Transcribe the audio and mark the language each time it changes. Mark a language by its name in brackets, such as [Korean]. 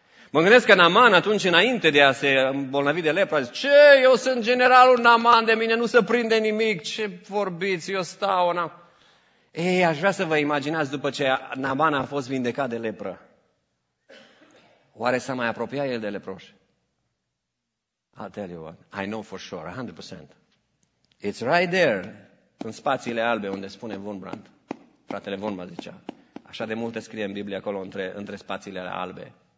[Romanian] Mă gândesc că Naaman atunci înainte de a se îmbolnăvi de lepra, zice: ce, eu sunt generalul Naaman, de mine nu se prinde nimic, ce vorbiți, eu stau. Ei, aș vrea să vă imaginați după ce Naaman a fost vindecat de lepră. Oare s-a mai apropiat el de leproși? [English] I'll tell you what, I know for sure, 100%. It's right there, [Romanian] în spațiile albe, unde spune Von Brandt. Fratele Von Brandt zicea, așa de multe scrie în Biblie acolo, între spațiile albe.